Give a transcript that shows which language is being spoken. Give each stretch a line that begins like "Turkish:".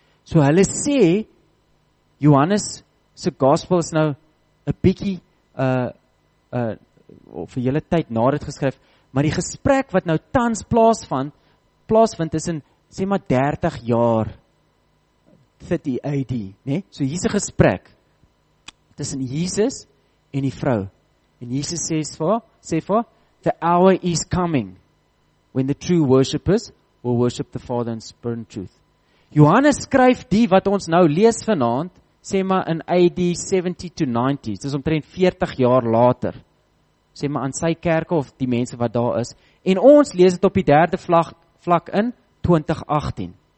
Afrikaans: So hulle sê, Johannes se gospel is nou 'n bietjie of vir julle tyd na dit geskryf, maar die gesprek wat nou tans plaasvind tussen sê maar 30 jaar 30 AD, né? So hier's 'n gesprek tussen Jesus en die vrou. En Jesus sê vir
English: the hour is coming when the true worshippers will worship the Father in spirit and truth.
Afrikaans: Johannes skryf die wat ons nou lees vanaand, sê maar in AD 70 to 90, dis omtrent 40 jaar later, sê maar aan sy kerke of die mense wat daar is, en ons lees het op die derde vlak in 2018.